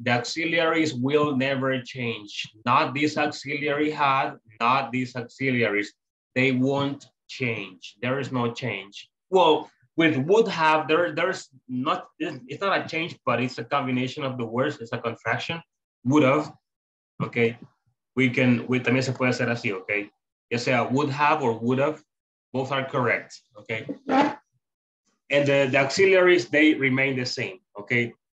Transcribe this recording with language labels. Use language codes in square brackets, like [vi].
[en] The auxiliaries will never change. Not this auxiliary had, not these auxiliaries. They won't change. There is no change. Well, with would have, it's not a change, but it's a combination of the words. It's a contraction, would have, okay? We can, [es] también se puede hacer así, okay? Ya sea [en] would have or would have, both are correct, okay? And the auxiliaries, they remain the same, okay?